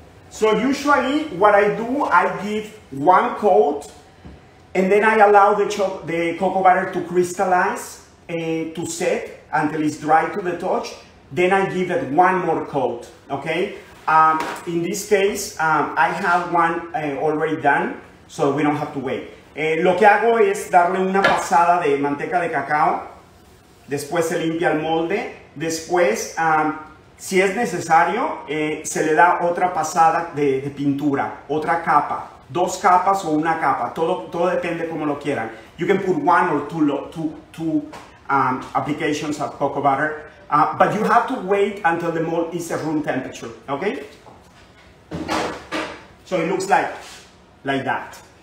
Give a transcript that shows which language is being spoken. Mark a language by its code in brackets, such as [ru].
[en] So usually what I do, I give one coat and then I allow the cocoa butter to crystallize and to set until it's dry to the touch. Then I give it one more coat, okay? In this case, I have one already done, so we don't have to wait. [es] Lo que hago es darle una pasada de manteca de cacao. Después se limpia el molde. Después, si es necesario, se le da otra pasada de pintura, otra capa, dos capas o una capa, todo depende como lo quieran. [en] You can put one or two applications of cocoa butter, but you have to wait until the mold is at room temperature, okay? So it looks like that.